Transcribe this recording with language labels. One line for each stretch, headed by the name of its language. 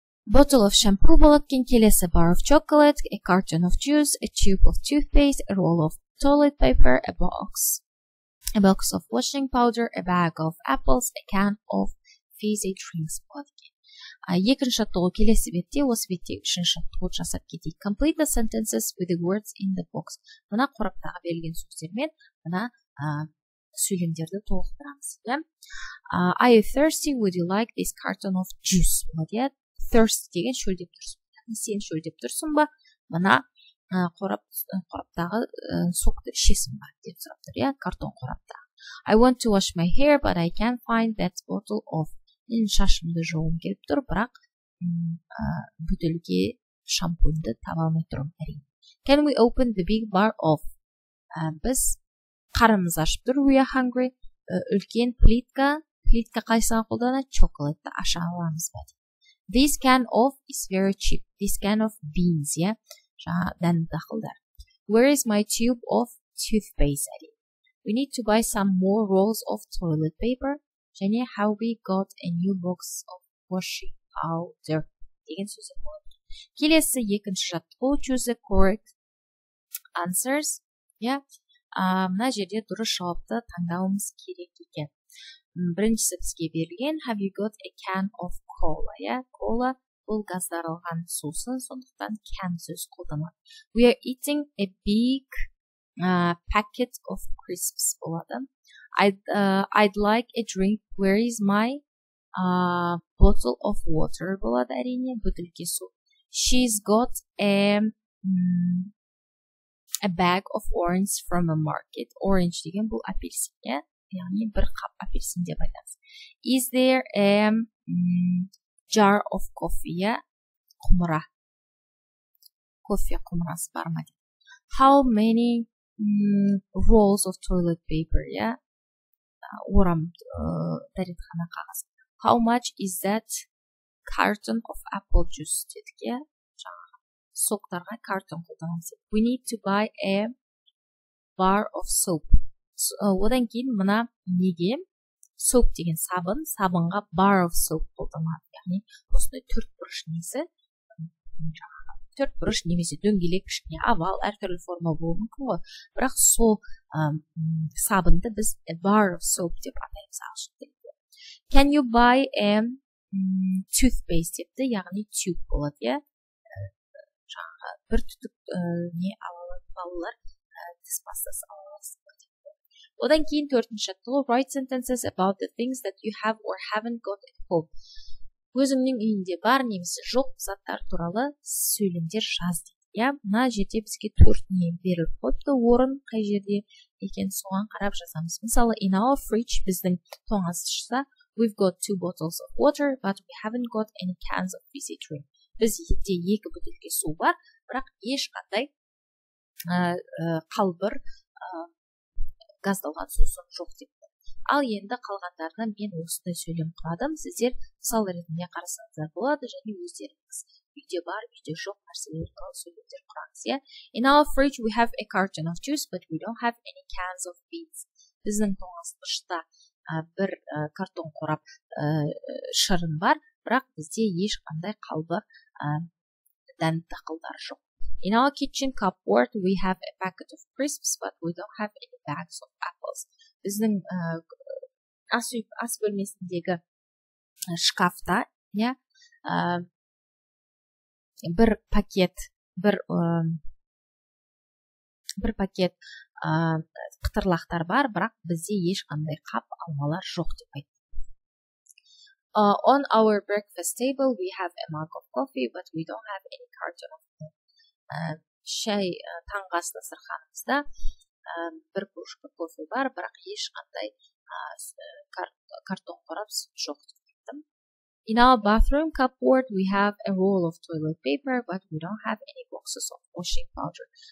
English: Bottle of shampoo болатын, келесі bar of chocolate, a carton of juice, a tube of toothpaste, a roll of toilet paper, a box of washing powder, a bag of apples, a can of fizzy drinks.
Kazakh: Екінші жаттығу келесі бетте, осы бетте үшінші жаттығуды жасап кетейік.
English: Complete the sentences with the words in the box.
Kazakh: Мына қораптағы берілген сөздермен мына сөйлемдерді толықтырамыз.
English: Are you thirsty? Would you like this carton of juice?
Kazakh: Thirst деген шөлдеп тұрсың. Сен шөлдеп тұрсың ба? Мына қораптағы суықты ішесің ба? Деп сұрап тұр, картон қорапта.
English: I want to wash my hair, but I can't find that bottle of.
Kazakh: Мен шашымды жуғым келіп тұр, бірақ бөтелке шампуньді таба алмай тұрмын әрине.
English: Can we open the big bar of?
Kazakh: Біз қарымыз ашып тұр,
English: we are hungry.
Kazakh: Үлкен плитка, плитка қайсыған қолдана, чоколетті аша аламыз ба?
English: This can of is very cheap. This can of beans, yeah? Жаңа дәнді дақылдар. Where is my tube of toothpaste, әрине? We need to buy some more rolls of toilet paper. Jenny, how we got a new box of washing powder?
Kazakh: Деген сөзі болады. Келесі екінші жаттығу.
English: Choose the correct answers.
Kazakh: Мына жерде дұрыс жауапты таңдауымыз керек екен. Біріншісі бізге берілген.
English: Have you got a can of cola?
Kazakh: Cola бұл газдарылған сусын, сондықтан can сөз қолданады.
English: We are eating a big... packet of crisps болады. I'd like a drink. Where is my bottle of water
Kazakh: болады әрине, бөтілке су.
English: She's got a bag of orange from a market.
Kazakh: Orange деген бұл апельсин, яғни бір қап апельсин деп айтамыз.
English: Is there a jar of coffee?
Kazakh: Құмыра. Кофе құмырасы бар ма?
English: How many rolls of toilet paper,
Kazakh: орам дәретхана қағаз.
English: How much is that carton of apple juice,
Kazakh: дедік, соқтарға картон қолданамыз.
English: We need to buy a bar of soap.
Kazakh: Одан кейін мына неге soap деген сабын, сабынға bar of soap қолданады. Яғни, осындай төрт бұрыш несі, төрт бұрыш немесе дөңгелек кішкене авал әртүрлі форма болуы мүмкін ғой, бірақ сол сабынды біз a bar of soap деп атаймыз ағылшын тілінде.
English: Can you buy a toothpaste
Kazakh: депті, яғни tube болады, жаңағы бір түтік не балалар тіс пастасы аласы ғой депті. Одан кейін төртінші жаттығу.
English: Write sentences about the things that you have or haven't got at home.
Kazakh: Өзіңнің үйінде бар немесе жоқ заттар туралы сөйлемдер жаз дейді. Мына жерде бізге төрт не беріліп қойыпты, орын қай жерде екен соған қарап жазамыз.
English: Мысалы, in our fridge
Kazakh: біздің тоңазытқышта
English: we've got two bottles of water, but we haven't got any cans of fizzy drink.
Kazakh: Бізде екі бөтелке су бар, бірақ ешқандай қалбыр газдалған сусын жоқ деп. Ал енді қалғандарына мен осындай сөйлем құрадым. Сіздер мысал ретінде қарасаңыздар болады, және өздеріңіз үйде бар, үйде жоқ нәрселер туралы сөйлемдер құраңыз.
English: In our fridge we have a carton of juice, but we don't have any cans of beans.
Kazakh: Біздің тоңазытқышта бір картон қорап шырын бар, бірақ бізде ешқандай қалбыр дәнді дақылдар жоқ.
English: In our kitchen cupboard we have a packet of crisps, but we don't have any bags of apples.
Kazakh: Біздің ас бөлмесіндегі шкафта бір пакет қытырлақтар бар, бірақ бізде ешқандай қап алмалар жоқ деп айтты.
English: On our breakfast table we have a mug of coffee, but we don't have any carton of milk.
Kazakh: Шай таңғы ас дастарханымызда бір бұрышқа кофе бар, бірақ ешқандай картон қорап жоқ деп айттым.
English: In our bathroom cupboard we have a roll of toilet paper, but we don't have any boxes of washing powder.